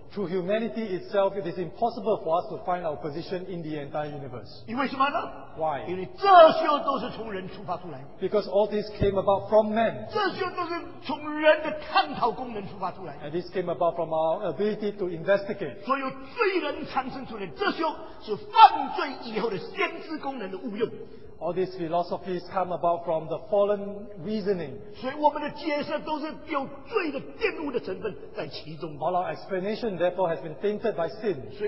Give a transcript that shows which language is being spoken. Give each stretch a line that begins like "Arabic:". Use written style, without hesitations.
English: Through humanity itself, it is impossible for us to find our position in the entire universe.
Chinese: 因为什么呢?
English: Why?
Chinese: 因为这些都是从人出发出来。
English: Because all this came about from men.
Chinese: 这些都是从人的探讨功能出发出来。
English: And this came about from our ability to investigate.
Chinese: 所有罪人产生出来，这些是犯罪以后的先知功能的误用。
English: All these philosophies come about from the fallen reasoning. All our explanation, therefore, has been tainted by sin.